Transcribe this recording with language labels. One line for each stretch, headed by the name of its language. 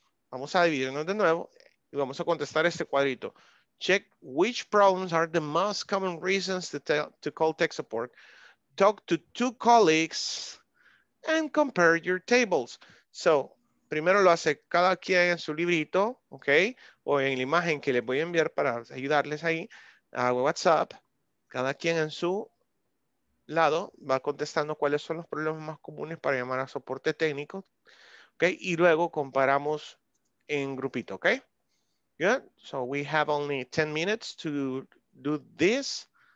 Spanish: Vamos a dividirnos de nuevo y vamos a contestar este cuadrito.
English: Check which problems are the most common reasons to call tech support. Talk to two colleagues and compare your tables.
Spanish: So, primero lo hace cada quien en su librito, ok, o en la imagen que les voy a enviar para ayudarles ahí, a WhatsApp, cada quien en su lado va contestando cuáles son los problemas más comunes para llamar a soporte técnico, okay? Y luego comparamos en grupito, okay? Good.
English: So we have only 10 minutes to do this.